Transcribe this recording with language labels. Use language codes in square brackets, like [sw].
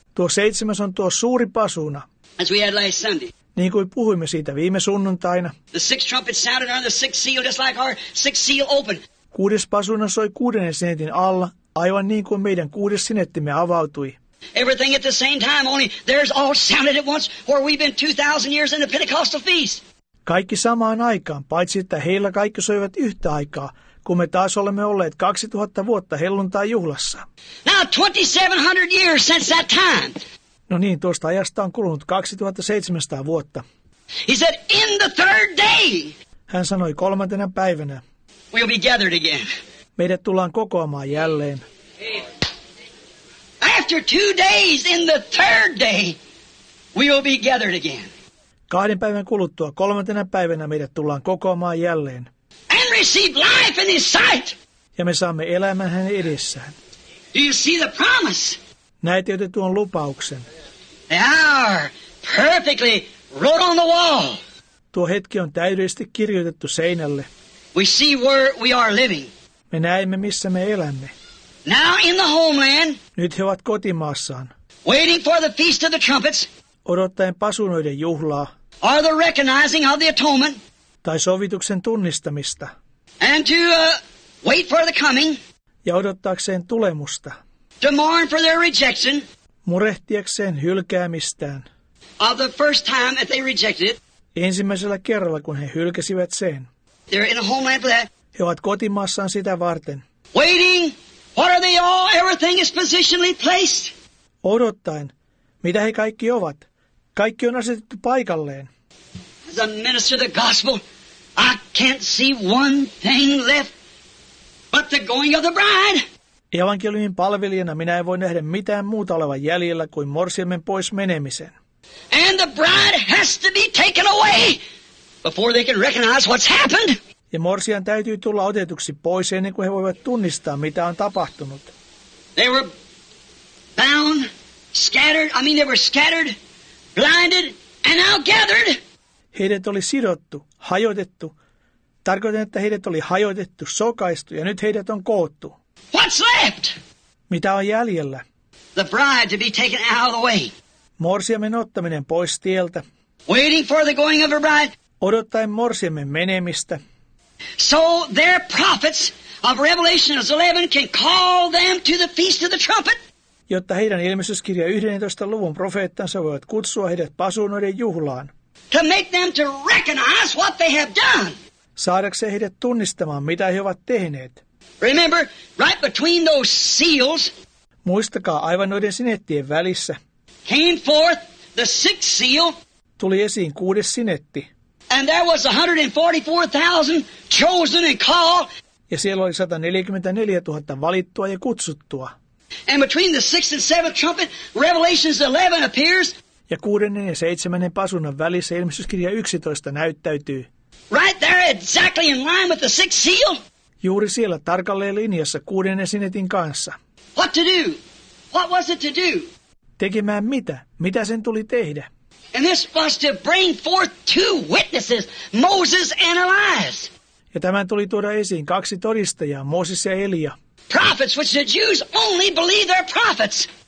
[fi] Tuo seitsemäs on tuo suuri pasuuna. [en] As we had last Sunday. [fi] Niin kuin puhuimme siitä viime sunnuntaina. [en] The sixth trumpet sounded on the sixth seal, just like our sixth seal opened. [fi] Kuudes pasuuna soi kuuden sinetin alla, aivan niin kuin meidän kuudes sinettimme avautui. [en] Everything at the same time, only theirs all sounded at once, where we've been 2,000 years in the Pentecostal feast. [fi] Kaikki samaan aikaan, paitsi että heillä kaikki soivat yhtä aikaa, kun me taas olemme olleet 2000 vuotta helluntaijuhlassa. [en] Now 2,700 years since that time. [fi] No niin, tuosta ajasta on kulunut 2,700 vuotta. [en] He said, in the third day. [fi] Hän sanoi kolmantena päivänä. [en] We'll be gathered again. [fi] Meidät tullaan kokoamaan jälleen. [en] After 2 days, in the third day, we will be gathered again. [fi] Kahden päivän kuluttua, kolmantena päivänä meidät tullaan kokoamaan jälleen. [en] And receive life in his sight. [fi] Ja me saamme elämän hänen edessään. [en] Do you see the promise? [fi] Näet jo tuon lupauksen. [en] They are perfectly wrote on the wall. [fi] Tuo hetki on täydellisesti kirjoitettu seinälle. [en] We see where we are living. [fi] Me näemme, missä me elämme. [en] Now in the homeland. [fi] Nyt he ovat kotimaassaan. [en] Waiting for the feast of the trumpets. [fi] Odottaen pasunoiden juhlaa. [en] Or the recognizing of the atonement. [fi] Tai sovituksen tunnistamista. [en] And to wait for the coming. [fi] Ja odottaakseen tulemusta. [en] To mourn for their rejection. [fi] Murehtiakseen hylkäämistään. [en] Of the first time that they rejected it. [fi] Ensimmäisellä kerralla, kun he hylkäsivät sen. [en] They're in a homeland for that. [fi] He ovat kotimaassaan sitä varten. [en] Waiting. What are they all? Everything is positionally placed. [fi] Odottaen. Mitä he kaikki ovat? Kaikki on asetettu paikalleen. [en] As a minister of the gospel, I can't see one thing left but the going of the bride. [fi] Evankeliumin palvelijana minä en voi nähdä mitään muuta olevan jäljellä kuin morsiamen pois menemisen. [en] And the bride has to be taken away. Before they can recognize what's happened. [fi] Ja morsian täytyy tulla otetuksi pois ennen kuin he voivat tunnistaa, mitä on tapahtunut. [en] They were bound, scattered, they were scattered, blinded, and now gathered. [fi] Heidät oli sidottu, hajotettu. Tarkoitan, että heidät oli hajotettu, sokaistu, ja nyt heidät on koottu. [en] What's left? [fi] Mitä on jäljellä? [en] The bride to be taken out of the way. [fi] Morsiamen ottaminen pois tieltä. [en] Waiting for the going of her bride. [fi] Odottaen morsiamme menemistä. [en] So their prophets of Revelation 11 can call them to the feast of the trumpet. [fi] Jotta heidän ilmestyskirja 11. Luvun profeettansa voivat kutsua heidät pasuunoiden juhlaan. [en] To make them to recognize what they have done. [fi] Saadakseen heidät tunnistamaan, mitä he ovat tehneet. [en] Remember, right between those seals. [fi] Muistakaa, aivan noiden sinettien välissä. [en] Came forth the sixth seal. [fi] Tuli esiin kuudes sinetti. [en] And there was 144,000 chosen and called. [fi] Ja siellä oli 144,000 valittua ja kutsuttua. [en] And between the sixth and seventh trumpet, Revelation 11 appears. [fi] Ja kuudennen ja seitsemännen pasunnan välissä ilmestyskirja 11 näyttäytyy. [en] Right there, exactly in line with the sixth seal. [fi] Juuri siellä tarkalleen linjassa kuudennen sinetin kanssa. [en] What to do? What was it to do? [fi] Tekemään mitä? Mitä sen tuli tehdä? [en] And this was to bring forth two witnesses, Moses and Elias. [fi] Ja tämän tuli tuoda esiin kaksi todistajaa, Mooses ja Elia. [en] Prophets, which the Jews only believe their prophets.